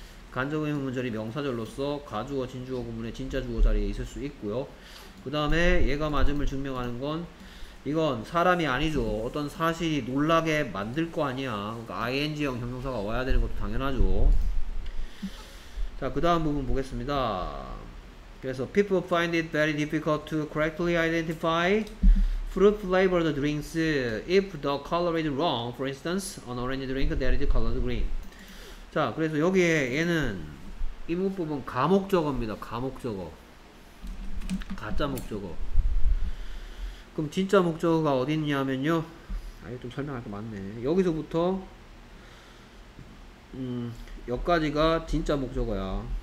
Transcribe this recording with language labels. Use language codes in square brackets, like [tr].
[ko] 간접 의문문절이 명사절로서 가주어, 진주어 구문의 진짜 주어 자리에 있을 수 있고요. 그 다음에 얘가 맞음을 증명하는 건 이건 사람이 아니죠. 어떤 사실이 놀라게 만들 거 아니야. 그러니까 ing형 형용사가 와야 되는 것도 당연하죠. 자, 그 다음 부분 보겠습니다. [en] 그래서 people find it very difficult to correctly identify fruit flavored drinks if the color is wrong. For instance, an orange drink that is colored green. [ko] 자, 그래서 여기에 얘는 이 부분 가목적어입니다. 가목적어. 가짜 목적어. 그럼 진짜 목적어가 어디 있냐면요. 아, 이거 좀 설명할 게 많네. 여기서부터 여기까지가 진짜 목적어야.